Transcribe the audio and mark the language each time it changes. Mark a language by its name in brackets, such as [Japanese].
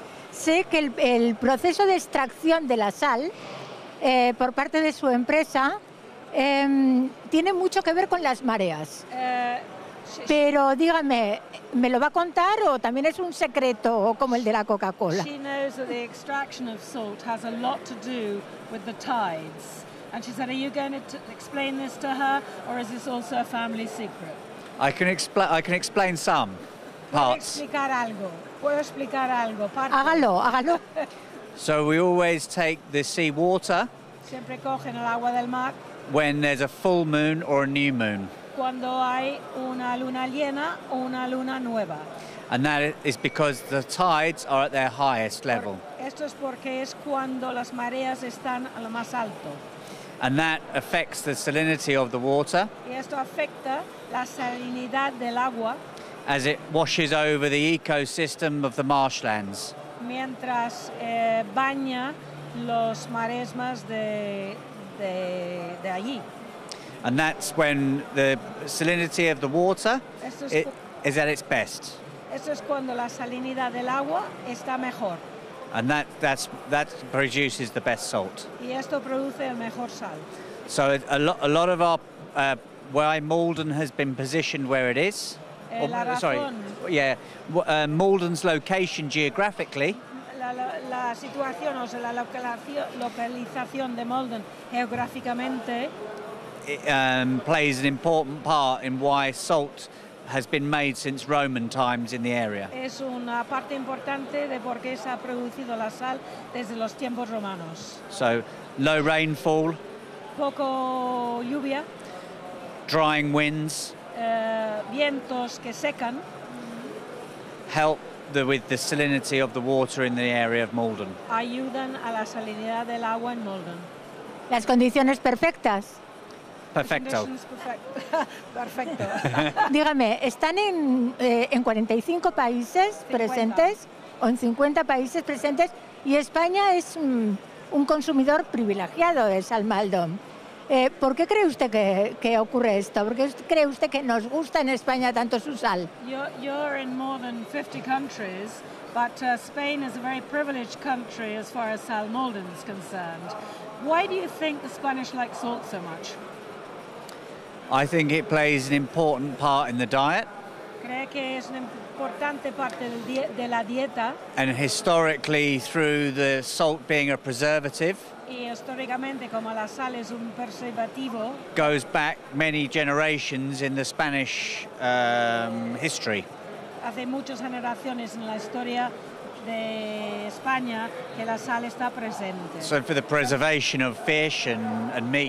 [Spanish] Sé que el proceso de extracción de la sal por parte de su empresa tiene mucho que ver con las mareas. Pero dígame, ¿me lo va a contar o también es un secreto como el de la Coca-Cola? [English] She knows that the extraction of salt has a lot to do with the tides. And she said, are you going to explain this to her or is this also a family secret? I can explain some parts. [Spanish] ¿Puedo explicar algo? ¿Puedo explicar algo? Hágalo. [English] So we always take the sea water. [Spanish] Siempre cogen el agua del mar. [English] When there's a full moon or a new moon. [Spanish] Cuando hay una luna llena o una luna nueva. [English] And that is because the tides are at their highest level. [Spanish] Esto es porque es cuando las mareas están a lo más alto. [English] And that affects the salinity of the water. [Spanish] Y esto afecta la salinidad del agua. [English] As it washes over the ecosystem of the marshlands. [Spanish] Mientras baña los maresmas de allí. [English] And that's when the salinity of the water is at its best. [Spanish] Eso es cuando la salinidad del agua está mejor. [English] And that produces the best salt. [Spanish] Y esto produce el mejor sal. [English] So a lot of our why Maldon has been positioned where it is. Maldon's location geographically. [Spanish] La situación, o sea, la localización de Maldon geográficamente. [English] It plays an important part in why salt has been made since Roman times in the area. [Spanish] Es una parte importante de por qué se ha producido la sal desde los tiempos romanos. [English] So, low rainfall. [Spanish] Poco lluvia. [English] Drying winds. [Spanish] Vientos que secan. [English] Help with the salinity of the water in the area of Maldon. [Spanish] Ayudan a la salinidad del agua en Maldon. Las condiciones perfectas. Perfecto. Perfecto. Dígame, ¿están en 45 países 50. Presentes o en 50 países presentes? Y España es un consumidor privilegiado de sal Maldon. ¿Por qué cree usted que ocurre esto? ¿Por qué cree usted que nos gusta en España tanto su sal? [English] You're in more than 50 countries, but Spain is a very privileged country as far as sal Maldon is concerned. Why do you think the Spanish like salt so much? I think it plays an important part in the diet. [Spanish] ¿Cree que es una importante parte de la dieta? [English] And historically, through the salt being a preservative, [Spanish] y históricamente, como la sal es un preservativo, [English] goes back many generations in the Spanish history. [Spanish] Hace muchas generaciones en la historia de España que la sal está presente. [English] So for the preservation of fish and meat.